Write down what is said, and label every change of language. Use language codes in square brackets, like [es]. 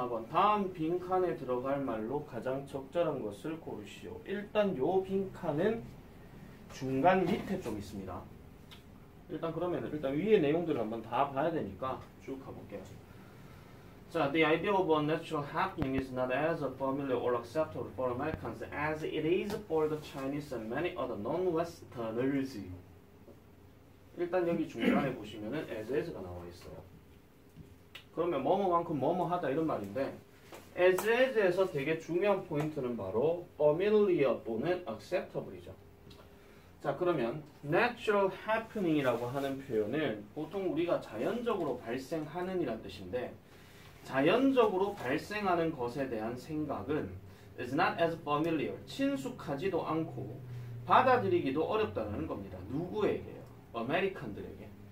[ko] 가장 빈칸에 들어갈 말로 가장 적절한 것을 고르시오. 일단 요 빈칸은 중간 밑에 좀 있습니다. 일단 그러면 일단 위의 내용들을 한번 다 봐야 되니까 쭉 가볼게요. [en] 자, the idea of a natural happening is not as familiar or acceptable for Americans as it is for the Chinese and many other non-Westerners. [ko] 일단 여기 중간에 보시면은 as가 나와 있어요. 그러면 뭐뭐만큼 뭐뭐하다 이런 말인데, as에서 되게 중요한 포인트는 바로 familiar 또는 acceptable이죠. 자, 그러면 natural happening이라고 하는 표현을 보통 우리가 자연적으로 발생하는이란 뜻인데, 자연적으로 발생하는 것에 대한 생각은 [en] is not as familiar, [ko] 친숙하지도 않고 받아들이기도 어렵다는 겁니다. 누구에게요? 아메리칸들에게.